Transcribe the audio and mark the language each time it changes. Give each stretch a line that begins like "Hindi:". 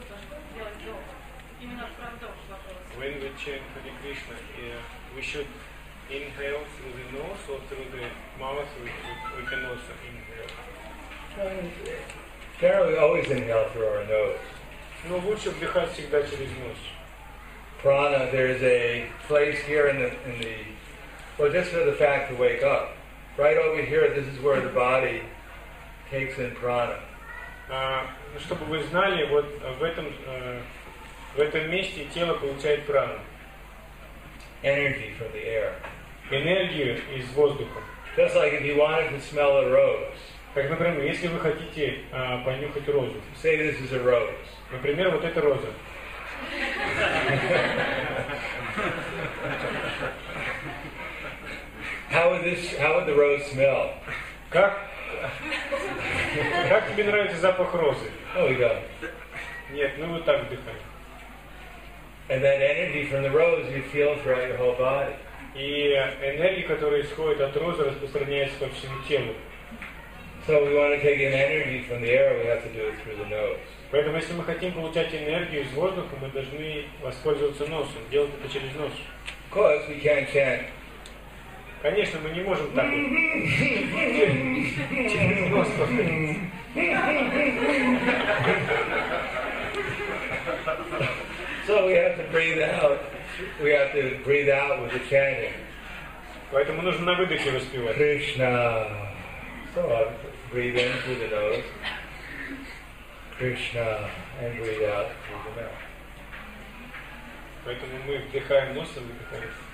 English: When we chant Hare Krishna, we should inhale through the nose or through the mouth, we can also inhale. Generally, always inhale through our nose.
Russian: Но лучше вдыхать всегда через нос.
English: Prana, there is a place here in the well, just for the fact to wake up. Right over here, this is where the body takes in prana.
Russian: Чтобы вы знали, вот в этом месте тело получает прану.
English: Energy from the air.
Russian: Энергию из воздуха.
English: Just like if you wanted to smell a rose.
Russian: Так, например, если вы хотите понюхать розу.
English: Say this is a rose.
Russian: Например, вот это роза.
English: How would the rose smell?
Russian: Как тебе нравится запах розы?
English: Oh, we go.
Russian: Нет, ну вот так вдыхать.
English: And that energy from the rose you feel throughout your whole body.
Russian: И энергия, которая исходит от розы, распространяется по всему телу.
English: So we want to take in energy from the air, we have to do it through the nose.
Russian: Поэтому если мы хотим получать энергию из воздуха, мы должны воспользоваться носом, делать это через нос.
English: Of course, we can't chant.
Russian: Конечно, мы не можем так вот через нос повторить.
English: So we have to breathe out. We have to breathe out with the chanting.
Russian: Поэтому нужно на выдохе воспевать.
English: Кришна. So breathe in through the nose. Krishna. And breathe out through the mouth.
Russian: Поэтому мы вдыхаем носом, выдыхаем.